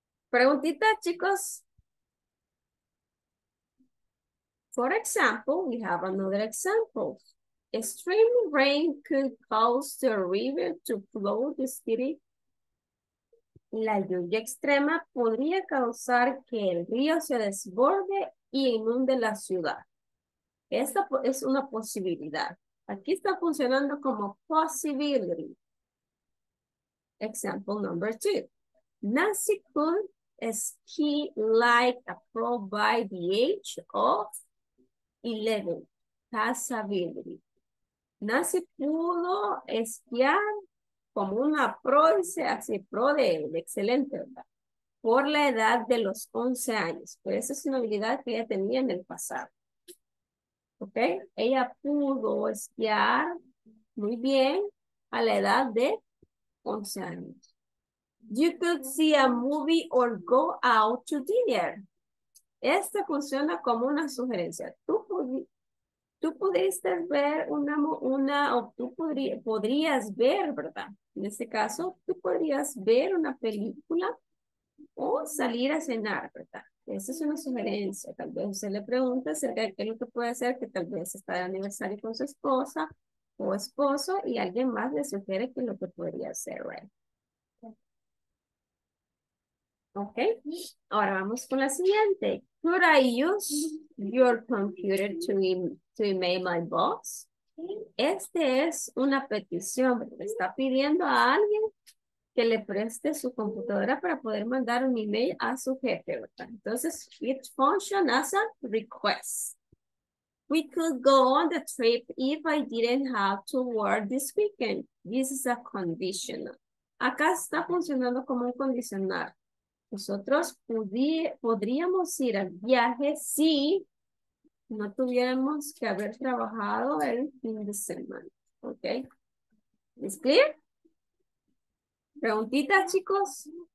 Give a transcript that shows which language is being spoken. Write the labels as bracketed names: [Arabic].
[Spanish] Preguntita, chicos. [English] For example, we have another example. Extreme rain could cause the river to flow the city. [Spanish] La lluvia extrema podría causar que el río se desborde y inunde la ciudad. Esta es una posibilidad. Aquí está funcionando como possibility. [English] Example number two. Nancy could ski like a pro by the age of 11. [Spanish] Possibility. Nancy pudo esquiar como una pro, dice así, pro de excelente, ¿verdad? Por la edad de los 11 años. Por eso es una habilidad que ella tenía en el pasado. ¿Ok? Ella pudo esquiar muy bien a la edad de 11 años. [English] You could see a movie or go out to dinner. [Spanish] Esta funciona como una sugerencia. Tú pudiste ver una o tú podrías ver, ¿verdad? En este caso, tú podrías ver una película o salir a cenar, ¿verdad? Esa es una sugerencia. Tal vez usted le pregunta acerca de qué es lo que puede hacer, que tal vez está de aniversario con su esposa o esposo y alguien más le sugiere qué es lo que podría hacer, ¿verdad? Ok, ahora vamos con la siguiente. [English] Could I use your computer to email my boss? [Spanish] Este es una petición. Está pidiendo a alguien que le preste su computadora para poder mandar un email a su jefe. [English] Entonces, it functions as a request. We could go on the trip if I didn't have to work this weekend. This is a conditional. [Spanish] Acá está funcionando como un condicional. Nosotros podríamos ir al viaje si no tuviéramos que haber trabajado el fin de semana. ¿Ok? ¿Es clear? ¿Preguntitas, chicos?